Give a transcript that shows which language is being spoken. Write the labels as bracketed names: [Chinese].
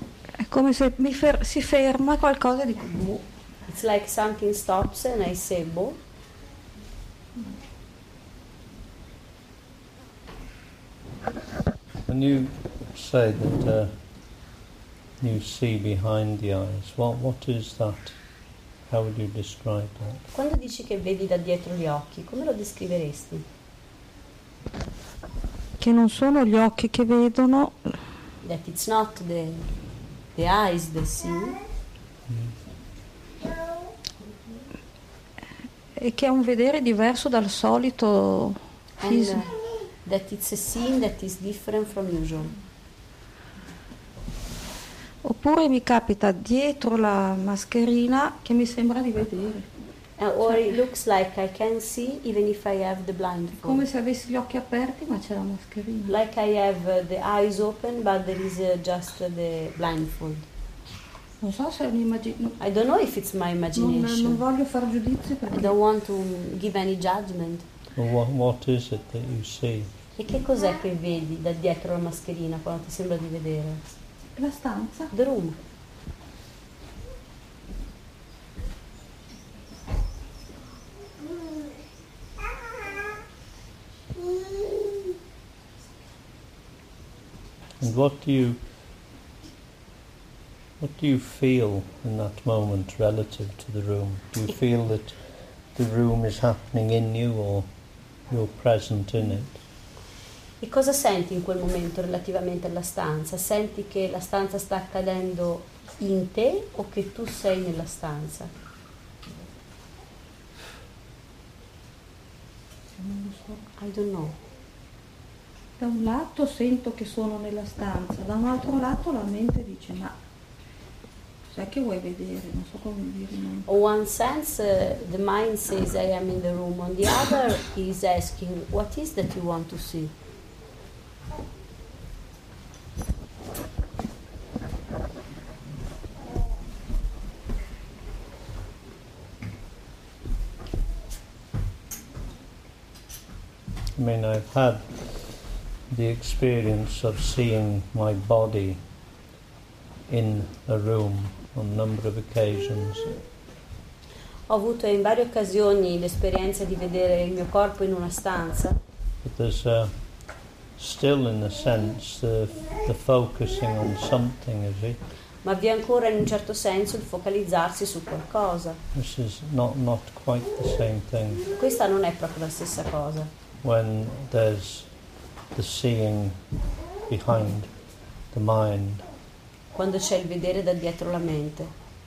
[Italian] È come se si ferma qualcosa di cui. [English] It's like something stops and I say boh. When you say that you see behind the eyes, what is that? How would you describe that? [Italian] Quando dici che vedi da dietro gli occhi, come lo descriveresti? Che non sono gli occhi che vedono. [English] That it's not the eyes that see. Mm. [Italian] E che è un vedere diverso dal solito fisico. [English] That it's a scene that is different from usual. [Italian] Oppure mi capita dietro la mascherina che mi sembra di vedere. [English] Or it looks like I can see even if I have the blindfold. [Italian] Come se avessi gli occhi aperti ma c'è la mascherina. [English] Like I have the eyes open but there is just the blindfold. [Italian] Non so se è un'immagine. [English] I don't know if it's my imagination. [Italian] Non voglio far giudizi perché. [English] I don't want to give any judgment. What is it that you see? [Italian] E che cos'è che vedi da dietro la mascherina quando ti sembra di vedere? La stanza. [English] The room. And what do you feel in that moment relative to the room? Do you feel that the room is happening in you or you're present in it? [Italian] E cosa senti in quel momento relativamente alla stanza? Senti che la stanza sta accadendo in te o che tu sei nella stanza? [English] I don't know. [Italian] Da un lato sento che sono nella stanza, da un altro lato la mente dice ma sai che vuoi vedere? Non so come dire. [English] On one sense the mind says I am in the room, on the other is asking what is that you want to see? I mean, I've had the experience of seeing my body in a room on a number of occasions. [Italian] Ho avuto in varie occasioni l'esperienza di vedere il mio corpo in una stanza. [English] But there's still, in a sense, the focusing on something, is it? [Italian] Ma vi è ancora, in un certo senso, il focalizzarsi su qualcosa. [English] This is not quite the same thing. [Italian] Questa non è proprio la stessa cosa. [English] When there's the seeing behind the mind. [Italian] Quando c'è il vedere da dietro la mente.